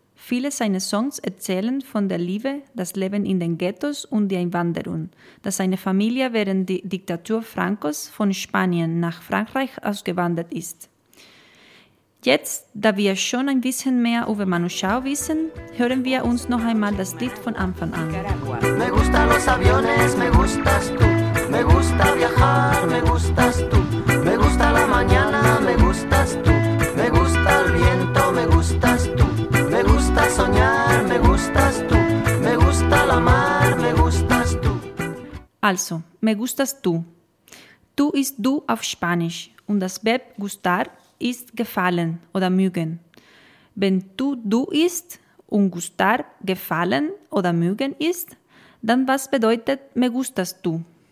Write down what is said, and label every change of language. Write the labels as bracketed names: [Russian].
[German] Viele seiner Songs erzählen von der Liebe, das Leben in den Ghettos und der Einwanderung, dass seine Familie während der Diktatur Francos von Spanien nach Frankreich ausgewandert ist. Jetzt, da wir schon ein bisschen mehr über Manu Chao wissen, hören wir uns noch einmal das Lied von Anfang an. [Spanish] Me gustan los aviones, me gustas tú. Me gusta viajar, me gustas tú. Me gusta la mañana, me gustas tú. Me gusta el viento, me gustas tú. Me gusta soñar, me gustas tú. Me gusta la mar, me gustas tú. Also, me gustas tú. [German] Tú ist du auf Spanisch und das Verb gustar ist gefallen oder mögen. Wenn du du ist und gustar gefallen oder mögen ist, dann was bedeutet me gustas tú?